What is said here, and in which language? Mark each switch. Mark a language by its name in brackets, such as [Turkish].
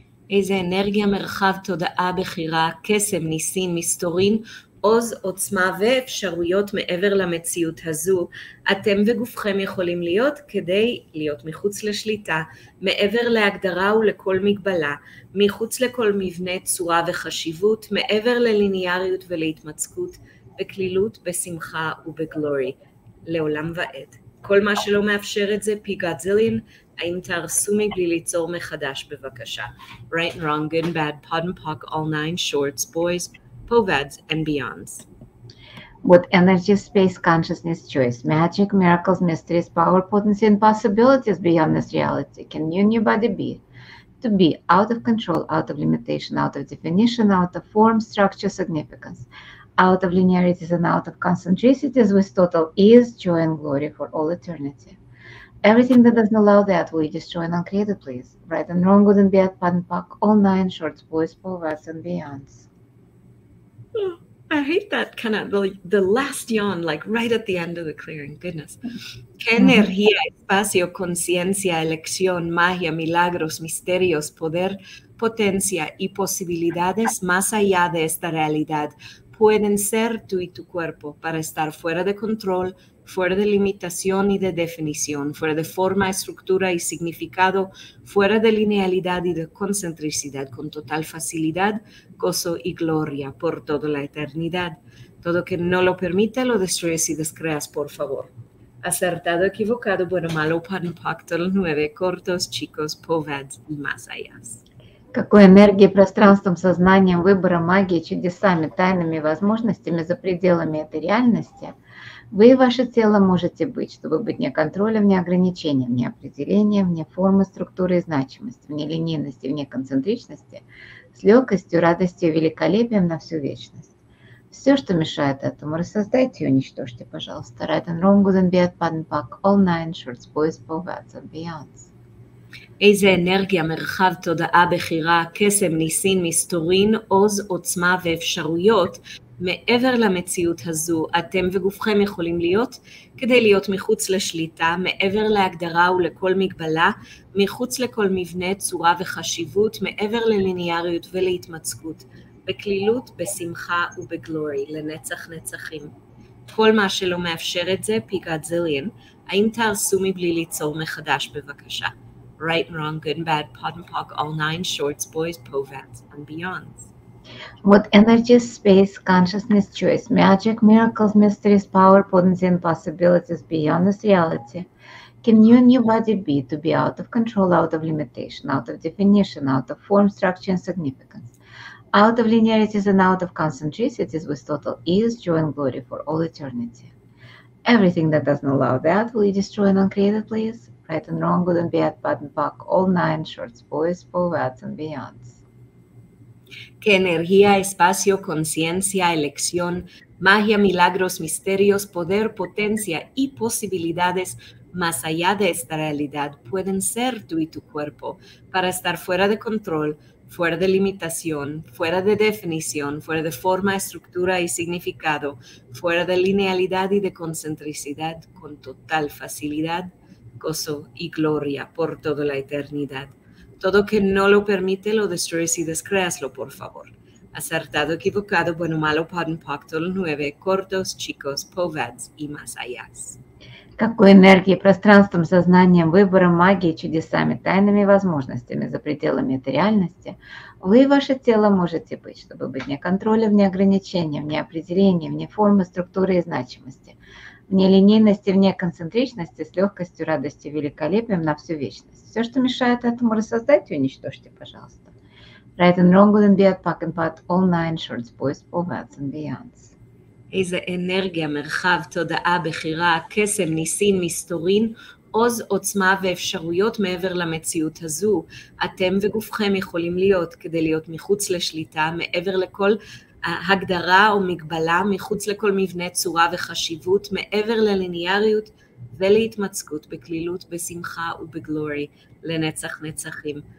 [Hebrew] איזה אנרגיה, מרחב, תודעה, בחירה, קסם, ניסים, מסתורין, עוז, עוצמה ואפשרויות מעבר למציאות הזו, אתם וגופכם יכולים להיות כדי להיות מחוץ לשליטה, מעבר להגדרה ולכל מגבלה, מחוץ לכל מבנה, צורה וחשיבות, מעבר לליניאריות ולהתמצקות, בכלילות, בשמחה ובגלורי, לעולם ועד. כל מה שלא מאפשר את זה, פי גדזלין, האם תהרסו מבלי ליצור מחדש, בבקשה. [English] Right and wrong, good and bad, pod and pock, all nine shorts, boys, povads, and beyonds. What energy, space, consciousness, choice, magic, miracles, mysteries, power, potency, and possibilities beyond this reality can you and your body be? To be out of control, out of limitation, out of definition, out of form, structure, significance, out of linearities and out of concentricities with total ease, joy, and glory for all eternity. Everything that doesn't allow that, will you destroy and uncreate it, please? Right and wrong, good and bad, pot and pock, all nine shorts, boys, povats, and beyonds. Oh, I hate that kind of the last yawn, like right at the end of the clearing. Goodness. [Spanish] ¿Qué energía, espacio, conciencia, elección, magia, milagros, misterios, poder, potencia y posibilidades más allá de esta realidad pueden ser tú y tu cuerpo para estar fuera de control, fuera de limitación y de definición, fuera de forma, estructura y significado, fuera de linealidad y de concentricidad, con total facilidad, gozo y gloria por toda la eternidad. Todo que no lo permite, lo destruyes y descreas, por favor. Acertado, equivocado, bueno, malo, pan, pacto, los nueve, cortos, chicos, povads y más allá. [Russian] Какой энергией, пространством, сознанием, выбором, магией, чудесами, тайными возможностями за пределами этой реальности вы и ваше тело можете быть, чтобы быть вне контроля, вне ограничения, вне определения, вне формы, структуры и значимости, вне линейности, вне концентричности, с легкостью, радостью и великолепием на всю вечность. Все, что мешает этому, рассоздайте и уничтожьте, пожалуйста. Right and wrong, good and bad, bad and back, all nine shorts, boys, povats and beyonds. [Hebrew] איזה אנרגיה, מרחב, תודעה, בחירה, קסם, ניסים, מסתורין, עוז, עוצמה ואפשרויות, מעבר למציאות הזו אתם וגופכם יכולים להיות, כדי להיות מחוץ לשליטה, מעבר להגדרה ולכל מגבלה, מחוץ לכל מבנה, צורה וחשיבות, מעבר ללניאריות ולהתמצקות, בכלילות, בשמחה ובגלורי, לנצח נצחים. כל מה שלא מאפשר את זה, פי גדזיליאן, האם תהרסו מבלי ליצור מחדש בבקשה? [English] Right and wrong, good and bad, pot and pock, all nine, shorts, boys, povats, and beyond. What energy, space, consciousness, choice, magic, miracles, mysteries, power, potency, and possibilities beyond this reality can you and your body be to be out of control, out of limitation, out of definition, out of form, structure, and significance, out of linearities and out of concentricities with total ease, joy, and glory for all eternity? Everything that doesn't allow that, will you destroy an uncreated place? Right and wrong, good and bad, bad and buck, all nine, shorts, boys, povats, and beyonds. [Spanish] ¿Qué energía, espacio, conciencia, elección, magia, milagros, misterios, poder, potencia y posibilidades más allá de esta realidad pueden ser tú y tu cuerpo para estar fuera de control, fuera de limitación, fuera de definición, fuera de forma, estructura y significado, fuera de linealidad y de concentricidad con total facilidad, gozo y gloria por toda la eternidad? Todo que no lo permite, lo destruyes y descreaslo, por favor. Acertado, equivocado, bueno, malo, pardon, pacto, lo nueve, cortos, chicos, povads y más allá. [Russian] Какой энергией, пространством, сознанием, выбором, магией, чудесами, тайными возможностями за пределами этой реальности вы и ваше тело можете быть, чтобы быть вне контроля, вне ограничения, вне определения, вне формы, структуры и значимости, вне линейности, вне концентричности, с легкостью, радостью, великолепием на всю вечность. Все, что мешает этому рассоздать, уничтожьте, пожалуйста. Right and wrong, good and bad, pack and pot, all nine, shorts, boys, povats and beyonds. [Hebrew] איזה אנרגיה, מרחב, תודעה, בחירה, קסם, ניסים, מסתורין, עוז, עוצמה ואפשרויות מעבר למציאות הזו. אתם וגופכם יכולים להיות, כדי להיות מחוץ לשליטה, מעבר לכל הגדרה או מגבלה, מחוץ לכל מבנה, צורה וחשיבות, מעבר ללניאריות ולהתמצקות, בכלילות, בשמחה ובגלורי, לנצח נצחים.